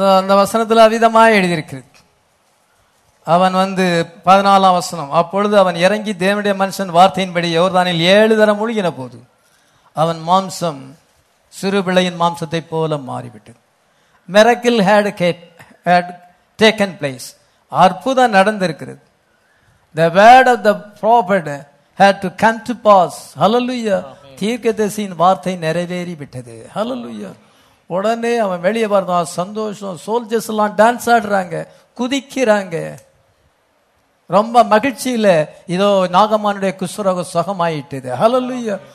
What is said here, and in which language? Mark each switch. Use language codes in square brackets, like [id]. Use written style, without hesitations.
[ta] அந்த வசனத்தில் அவிதமாக எழுதியிருக்கிறது. அவன் வந்து பதினாலாம் வசனம், அப்பொழுது அவன் இறங்கி தேவனுடைய மனுஷன் வார்த்தையின்படி யோர்தானில் ஏழு தரம் முழுகின போது அவன் மாம்சம் சிறு பிள்ளையின் மாம்சத்தை போல மாறிவிட்டது. [en] miracle had taken place, [ta] அற்புதம் நடந்திருக்கிறது. [en] The word of the prophet had to come to pass. Hallelujah. [ta] தீர்க்கதரிசியின் வார்த்தை நிறைவேறி விட்டது. Hallelujah. உடனே அவன் வெளியே வரதான் சந்தோஷம். சோல்ஜர்ஸ் எல்லாம் டான்ஸ் ஆடுறாங்க, குதிக்கிறாங்க, ரொம்ப மகிழ்ச்சியில. இதோ நாகமானுடைய குஸ்ரோக சுகமாயிட்டது. ஹல்லேலூயா.